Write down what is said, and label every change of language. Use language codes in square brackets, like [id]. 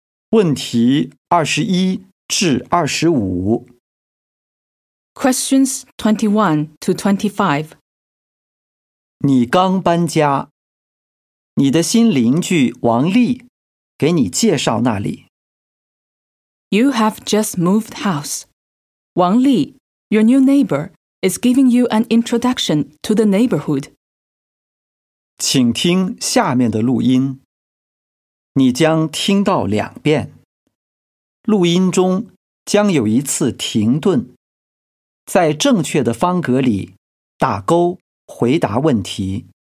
[zh] 问题21-25。 [en] Questions 21-25。 [zh] 你刚搬家，你的新邻居王丽给你介绍那里。 [en] You have just moved house. Wang Li, your new neighbor, is giving you an introduction to the neighborhood. [zh] 请听下面的录音，你将听到两遍。录音中将有一次停顿，在正确的方格里打勾回答问题。